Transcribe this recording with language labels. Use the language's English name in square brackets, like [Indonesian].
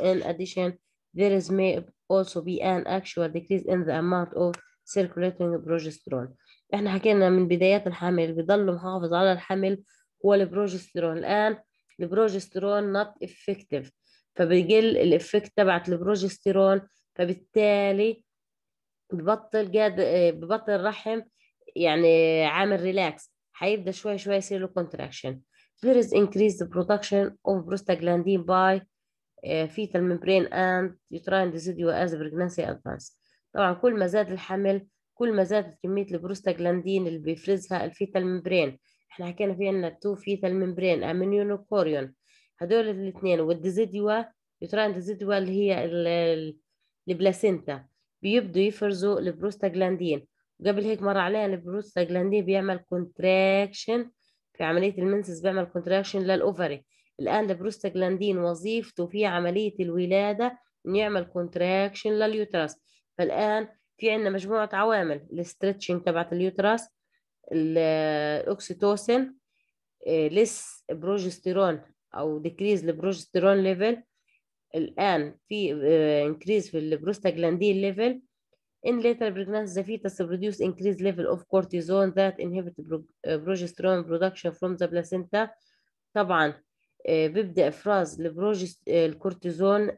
[English] In addition there is may also be an actual decrease in the amount of circulating progesterone. [Arabic] احنا حكينا من بدايات الحمل بيضل محافظ على الحمل هو البروجسترون. الان البروجسترون [English] not effective [Arabic] فبيقل الافكت تبعت البروجستيرون، فبالتالي ببطل قاد ببطل الرحم يعني عامل ريلاكس، حيبدا شوي شوي يصير له كونتراكشن. [English] There is increased production of prostaglandin by fetal membrane and uterine deciduous as pregnancy advance. [Arabic] طبعا كل ما زاد الحمل كل ما زادت كميه البروستاجلاندين اللي بيفرزها الفيتال ممبرين. احنا حكينا في عندنا تو فيتال ممبرين امينيون وكوريون، هدول الاثنين والديزيديوا يوتراين ديزيديوا اللي هي البلاسينتا بيبدوا يفرزوا البروستاجلاندين. قبل هيك مر علينا البروستاجلاندين بيعمل كونتراكشن في عمليه المنسز، بيعمل كونتراكشن للاوفري. الان البروستاجلاندين وظيفته في عمليه الولاده ان يعمل كونتراكشن لليوترس. فالان في عندنا مجموعه عوامل الاسترتشنج تبعت اليوترس، الاوكسيتوسين، لس بروجستيرون او ديكريز البروجسترون ليفل، الان في انكريز في البروستاجلاندين ليفل، [English] In later pregnancy, the fetus produce increased level of cortisone that inhibit progesterone production from the placenta. [Arabic] طبعا بيبدا افراز الكورتيزون.